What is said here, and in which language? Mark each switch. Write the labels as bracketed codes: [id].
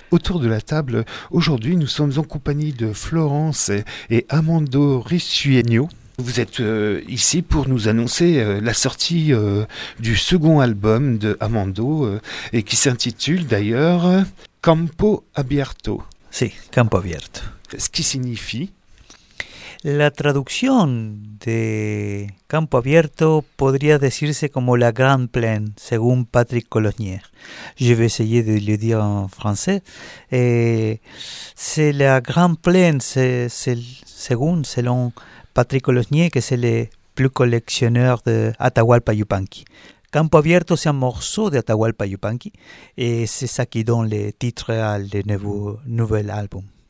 [fr] Autour de la table, aujourd'hui, nous sommes en compagnie de Florence et Amando Risueño. Vous êtes ici pour nous annoncer la sortie du second album de Amando et qui s'intitule d'ailleurs Campo Abierto. [es] Si, Campo Abierto. [fr] Ce qui signifie. [es] La traducción de campo abierto podría decirse como [fr] la grande plaine, [es] según Patrick Colonier. [fr] Je vais essayer de le dire en français. C'est la grande plaine, selon Patrick Colonier, que c'est le plus collectionneur de Atahualpa Yupanqui. Campo abierto, c'est un morceau de Atahualpa Yupanqui, et c'est ça qui donne le titre à le nouvel album.